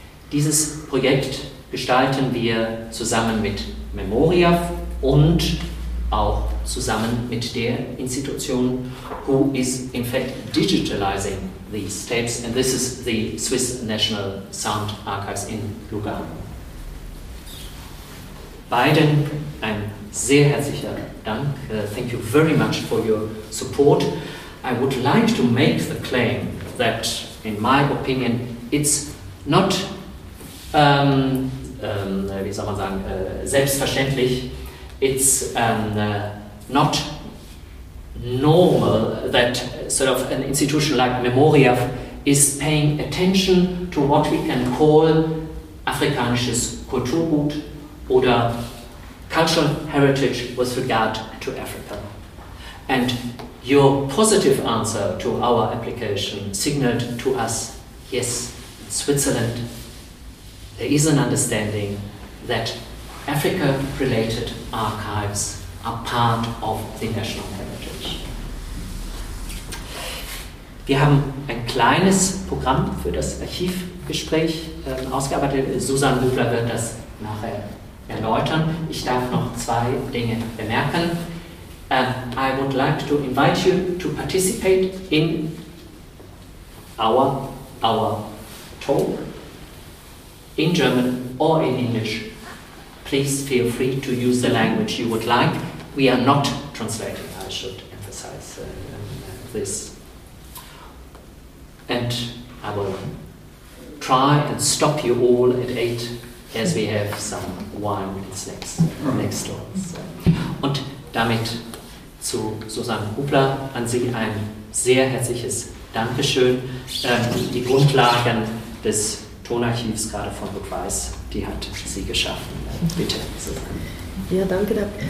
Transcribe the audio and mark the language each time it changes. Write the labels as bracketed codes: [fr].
[de] Dieses Projekt gestalten wir zusammen mit Memoriaf und auch zusammen mit der Institution, [en] who is in fact digitalizing these tapes, and this is the Swiss National Sound Archives in Lugano. [de] Beiden ein sehr herzlicher Dank. [en] Thank you very much for your support. I would like to make the claim that, in my opinion, it's not [de] wie soll man sagen, selbstverständlich, [en] it's not normal that sort of an institution like Memoriaf is paying attention to what we can call [de] afrikanisches Kulturgut oder [en] cultural heritage with regard to Africa. And your positive answer to our application signaled to us, yes, Switzerland, there is an understanding that Africa-related archives are part of the national heritage. [de] Wir haben ein kleines Programm für das Archivgespräch ausgearbeitet. Susan Löbler wird das nachher erläutern. Ich darf noch zwei Dinge bemerken. [en] I would like to invite you to participate in our talk in German or in English. Please feel free to use the language you would like. We are not translating, I should emphasize this. And I will try and stop you all at 8, as we have some wine and snacks next door. [de] Und damit zu Susanne Hubler, an Sie ein sehr herzliches Dankeschön. Die Grundlagen des Tonarchivs, gerade von Burg Weiß, die hat sie geschaffen. Bitte, Susanne. Ja, danke.